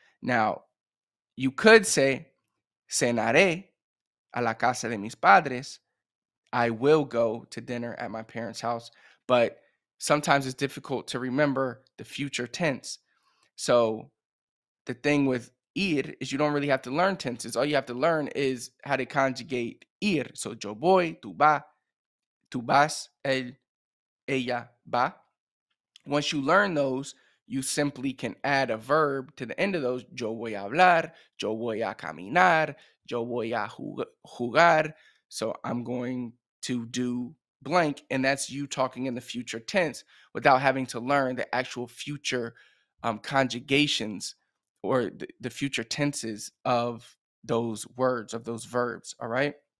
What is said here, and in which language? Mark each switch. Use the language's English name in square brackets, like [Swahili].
[English] Now, you could say [Spanish] cenaré a la casa de mis padres. [English] I will go to dinner at my parents' house, but sometimes it's difficult to remember the future tense. So the thing with ir is you don't really have to learn tenses. All you have to learn is how to conjugate ir. [Spanish] So yo voy, tú vas, él, ella, va. [English] Once you learn those, you simply can add a verb to the end of those. [Spanish] Yo voy a hablar, yo voy a caminar, yo voy a jugar. [English] So I'm going to do blank, and that's you talking in the future tense without having to learn the actual future conjugations or the future tenses of those words, of those verbs, all right?